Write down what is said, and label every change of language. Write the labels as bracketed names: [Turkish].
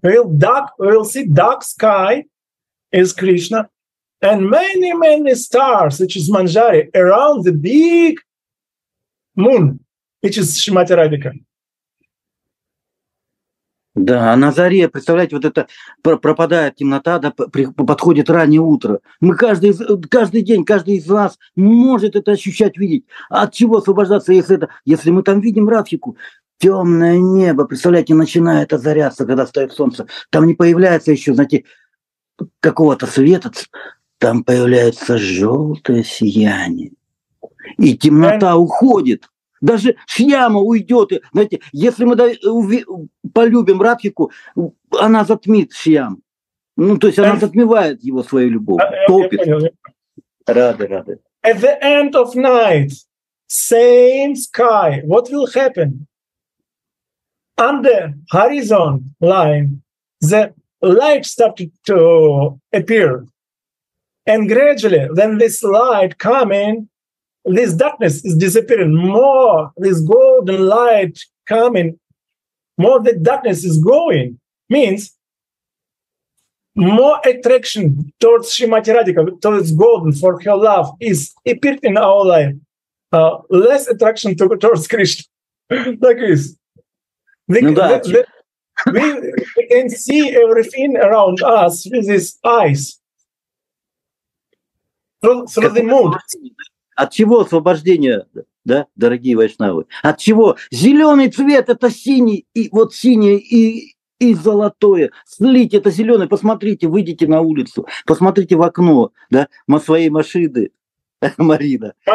[English] We'll see dark sky is Krishna and many, many stars, which is Manjari, around the big moon, which is Shrimati Radhika. [Russian] Да, а на заре, представляете, вот это пропадает темнота, да, подходит раннее утро. Мы каждый день, каждый из нас может это ощущать, видеть. От чего освобождаться, если мы там видим Радхику? Темное небо, представляете, начинает озаряться, когда встает солнце. Там не появляется еще, знаете, какого-то света, там появляется желтое сияние, и темнота уходит. Даже шьяма уйдет. Знаете, если мы полюбим Радхику, она затмит шьяму. Ну, то есть она затмевает его своей любовью, топит. Рады, рады. [English] At the end of night, same sky, what will happen? Under horizon line, the light started to appear. And gradually, when this light coming, this darkness is disappearing. More this golden light coming, more the darkness is going, means more attraction towards Srimati Radhika, towards golden for her love is appeared in our life. Less attraction towards Krishna. Like this. We can see everything around us with these eyes. Through the moon. [Russian] От чего освобождение, да, дорогие вайшнавы? От чего? Зеленый цвет — это синий, и вот синий и золотое. Слить это зеленый. Посмотрите, выйдите на улицу, посмотрите в окно, да, своей машины, Марина.